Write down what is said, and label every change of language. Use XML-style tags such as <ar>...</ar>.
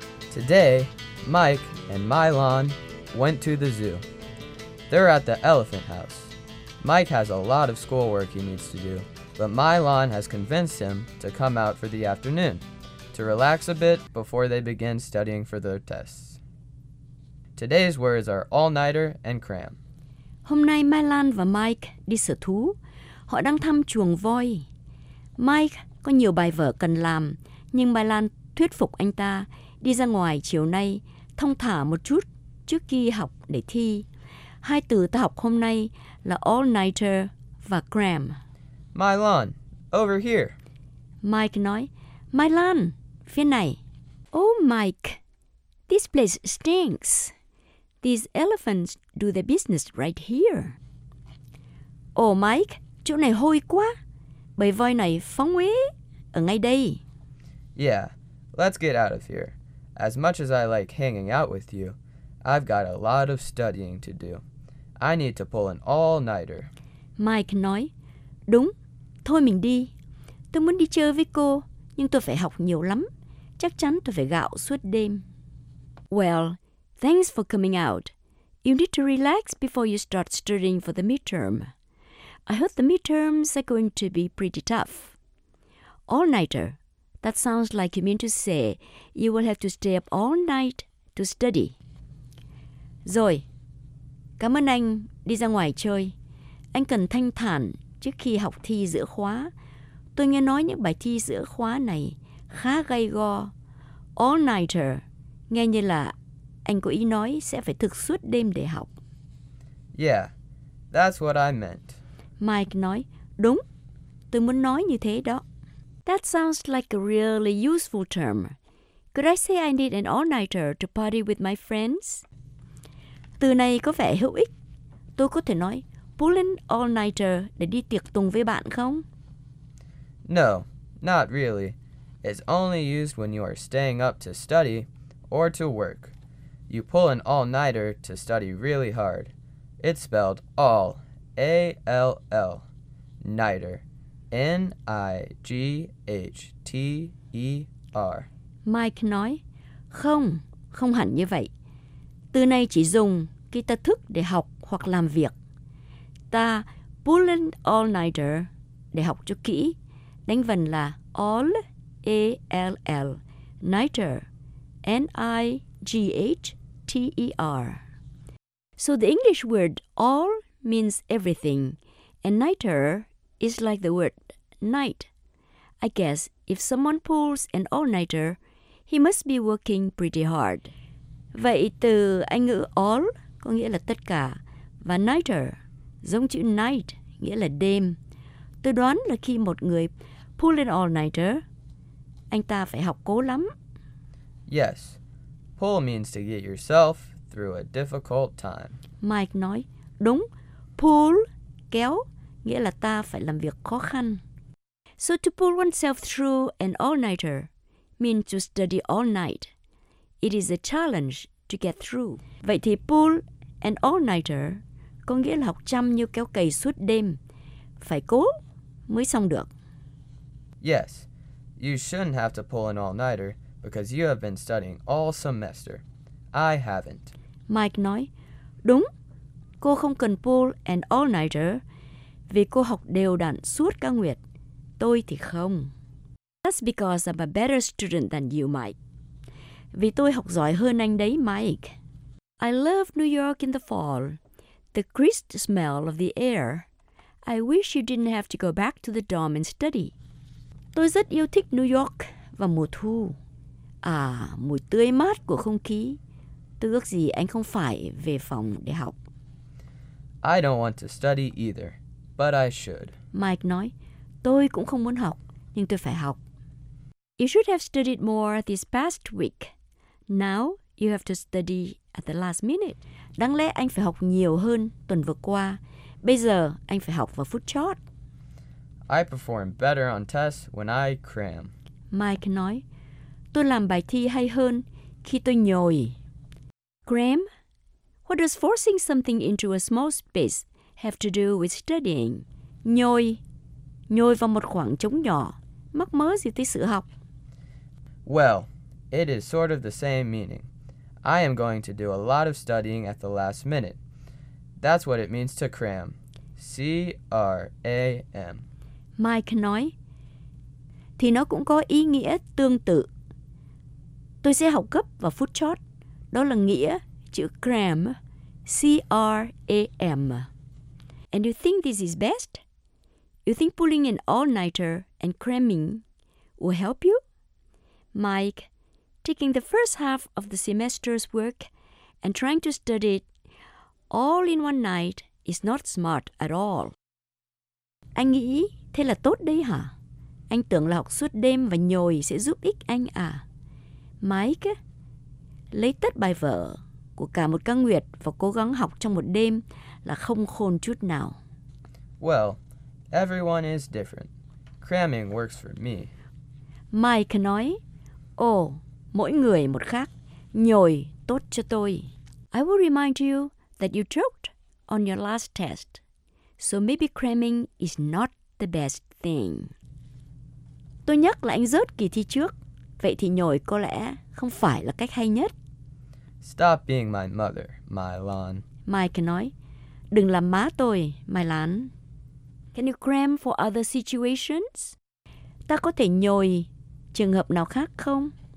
<en>Today, Mike and Mylon went to the zoo. They're at the elephant house. Mike has a lot of schoolwork he needs to do, but Mylon has convinced him to come out for the afternoon to relax a bit before they begin studying for their tests. Today's words are all-nighter and cram.</en> <vi>Hôm nay Mylon và Mike đi sở thú. Họ đang thăm chuồng voi. Mike có nhiều bài vở cần làm, nhưng Mylon thuyết phục anh ta đi ra ngoài chiều nay, thong thả một chút trước khi học để thi. Hai từ ta học hôm nay là all-nighter và cram.</vi> <en>Mylon, over here.</en> <vi>Mike nói, Mylon, phía này.</vi> <en>Oh, Mike, this place stinks. These elephants do their business right here.</en> <vi>Oh, Mike, chỗ này hôi quá. Bầy voi này phóng uế ở ngay đây.</vi> <en>Yeah, let's get out of here. As much as I like hanging out with you, I've got a lot of studying to do. I need to pull an all-nighter.</en> <vi>Mike nói, đúng, thôi mình đi. Tôi muốn đi chơi với cô, nhưng tôi phải học nhiều lắm. Chắc chắn tôi phải gạo suốt đêm.</vi> <en>Well, thanks for coming out. You need to relax before you start studying for the midterm. I heard the midterms are going to be pretty tough. All-nighter. That sounds like you mean to say you will have to stay up all night to study.</en> <vi>Rồi, cảm ơn anh đi ra ngoài chơi. Anh cần thanh thản trước khi học thi giữa khóa. Tôi nghe nói những bài thi giữa khóa này khá gay go. All-nighter, nghe như là anh có ý nói sẽ phải thức suốt đêm để học.</vi> <en>Yeah, that's what I meant.</en> <vi>Mike nói, đúng, tôi muốn nói như thế đó.</vi> <en>That sounds like a really useful term. Could I say I need an all-nighter to party with my friends?</en> <vi>Từ này có vẻ hữu ích. Tôi có thể nói,</vi> <en>pull an all-nighter</en> <vi>để đi tiệc tùng với bạn không?</vi> <en>No, not really. It's only used when you are staying up to study or to work. You pull an all-nighter to study really hard. It's spelled all, A-L-L, nighter, N-I-G-H-T-E-R.</en> <vi>Mike nói, không, không hẳn như vậy. Từ này chỉ dùng khi ta thức để học hoặc làm việc. Ta</vi> <en>pull an all-nighter</en> <vi>để học cho kỹ, đánh vần là all, A-L-L, nighter, N-I-G-H-T-E-R.</vi> <en>So the English word all means everything, and nighter is like the word night. I guess if someone pulls an all-nighter, he must be working pretty hard.</en> <vi>Vậy từ Anh ngữ all có nghĩa là tất cả, và nighter giống chữ night nghĩa là đêm. Tôi đoán là khi một người</vi> <en>pull an all-nighter,</en> <vi>Anh ta phải học cố lắm.</vi> <en>Yes. Pull means to get yourself through a difficult time.</en> <vi>Mike nói, đúng. Pull, kéo, nghĩa là ta phải làm việc khó khăn.</vi> <en>So to pull oneself through an all-nighter means to study all night. It is a challenge to get through.</en> <vi>Vậy thì</vi> <en>pull an all-nighter</en> <vi>có nghĩa là học chăm như kéo cày suốt đêm. Phải cố mới xong được.</vi> <en>Yes, you shouldn't have to pull an all-nighter because you have been studying all semester. I haven't.</en> <vi>Mike nói, đúng, cô không cần</vi> <en>pull an all-nighter</en> <vi>vì cô học đều đặn suốt cả nguyệt. Tôi thì không.</vi> <en>That's because I'm a better student than you, Mike.</en> <vi>Vì tôi học giỏi hơn anh đấy, Mike.</vi> <en>I love New York in the fall. The crisp smell of the air. I wish you didn't have to go back to the dorm and study.</en> <vi>Tôi rất yêu thích New York vào mùa thu. À, mùi tươi mát của không khí. Tôi ước gì anh không phải về phòng để học.</vi> <en>I don't want to study either, but I should.</en> <vi>Mike nói, tôi cũng không muốn học, nhưng tôi phải học.</vi> <en>You should have studied more this past week. Now you have to study at the last minute.</en> <vi>Đáng lẽ anh phải học nhiều hơn tuần vừa qua. Bây giờ anh phải học vào phút chót.</vi> <en>I perform better on tests when I cram.</en> <vi>Mike nói, tôi làm bài thi hay hơn khi tôi nhồi.</vi> <en>Cram? What does forcing something into a small space have to do with studying?</en> <vi>Nhồi. Nhồi vào một khoảng trống nhỏ. Mắc mớ gì tới sự học.</vi> <en>Well, it is sort of the same meaning. I am going to do a lot of studying at the last minute. That's what it means to cram. C-R-A-M.</en> <vi>Mike nói, thì nó cũng có ý nghĩa tương tự. Tôi sẽ học gấp vào phút chót. Đó là nghĩa chữ cram. C-R-A-M.</vi> <en>And you think this is best? You think pulling an all-nighter and cramming will help you? Mike, taking the first half of the semester's work and trying to study it all in one night is not smart at all.</en> <vi>Anh nghĩ thế là tốt đấy hả? Anh tưởng là học suốt đêm và nhồi sẽ giúp ích anh à? Mike, lấy tất bài vở của cả một căn nguyệt và cố gắng học trong một đêm là không khôn chút nào.</vi> <en>Well, everyone is different. Cramming works for me.</en> <vi>Mike nói, oh, mỗi người một khác. Nhồi tốt cho tôi.</vi> <en>I will remind you that you choked on your last test. So maybe cramming is not the best thing.</en> <vi>Tôi nhắc là anh rớt kỳ thi trước. Vậy thì nhồi có lẽ không phải là cách hay nhất.</vi> <en>Stop being my mother, Mylan.</en> <vi>Mike nói, đừng làm má tôi, Mylan.</vi> <en>Can you cram for other situations?</en> <vi>Ta có thể nhồi trường hợp nào khác không?</vi>